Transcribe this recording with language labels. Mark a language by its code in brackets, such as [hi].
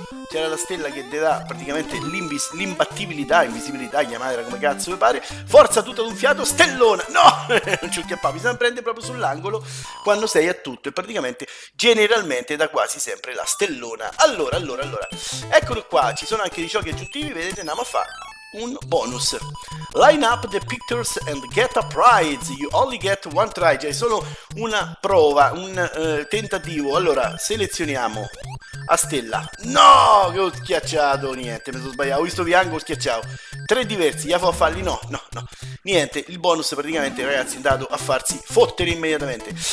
[it] C'era la stella che ti dà praticamente l'imbattibilità, invisibilità, chiamatela come cazzo vi pare. Forza tutta ad un fiato, stellona! No! Non ci ho chiappato, mi sa prende proprio sull'angolo quando sei a tutto. E praticamente generalmente dà quasi sempre la stellona. Allora. Eccolo qua, ci sono anche dei giochi aggiuntivi, vedete, andiamo a fare un bonus. [en] Line up the pictures and get a prize. You only get one try. [it] Cioè, è solo una prova, un tentativo. Allora, selezioniamo a stella. No, che ho schiacciato. Niente, mi sono sbagliato. Ho visto Viango, ho schiacciato. tre diversi, gli fa falli, no, no, no, niente, il bonus praticamente, ragazzi, è andato a farsi fottere immediatamente.